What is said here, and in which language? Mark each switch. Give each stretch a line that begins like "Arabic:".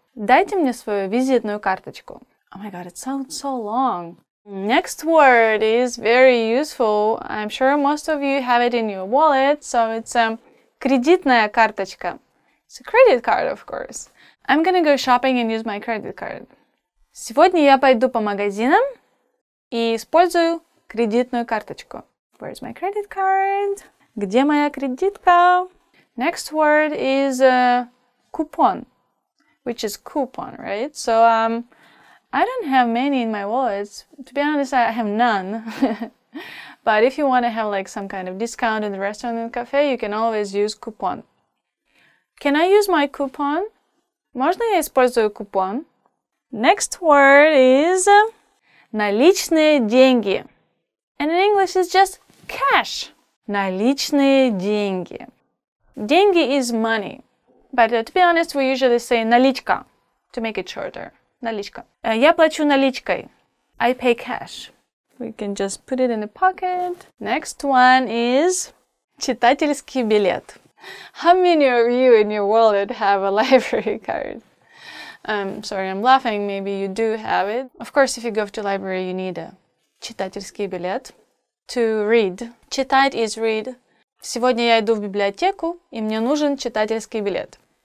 Russian: Дайте мне свою визитную карточку.
English: Oh my god, it sounds so long. Next word is very useful. I'm sure most of you have it in your wallet. So it's a
Russian: кредитная карточка.
English: It's a credit card, of course. I'm gonna go shopping and use my credit card.
Russian: Сегодня я пойду по магазинам и использую кредитную карточку.
English: Where is my credit card?
Russian: Где моя кредитка?
English: Next word is coupon, which is coupon, right? So I don't have many in my wallet. To be honest, I have none. But if you want to have like some kind of discount in the restaurant and cafe, you can always use coupon. Can I use my coupon?
Russian: Можно я использую купон?
English: Next word is
Russian: наличные деньги.
English: And in English it's just cash.
Russian: Наличные деньги.
English: Деньги is money. But to be honest, we usually say наличка to make it shorter. Наличка.
Russian: Я плачу наличкой.
English: I pay cash. We can just put it in the pocket. Next one is
Russian: читательский билет.
English: How many of you in your wallet have a library card? Sorry, I'm laughing. Maybe you do have it. Of course, if you go to the library, you need a
Russian: читательский билет.
English: To read. Читать is read.
Russian: Сегодня я иду в библиотеку, и мне нужен читательский билет.